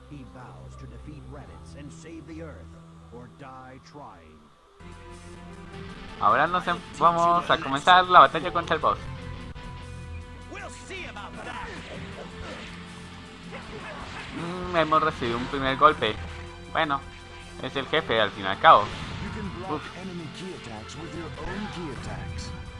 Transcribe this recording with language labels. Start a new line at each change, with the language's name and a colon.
English: He vows to defeat Raditz and save the Earth, or die trying.
Spanish: Ahora nos vamos a comenzar la batalla contra el boss.
English: We'll see about that.
Spanish: Hemos recibido un primer golpe. Bueno, es el jefe al fin y al cabo. Uf.
English: Enemy key attacks with your own key attacks.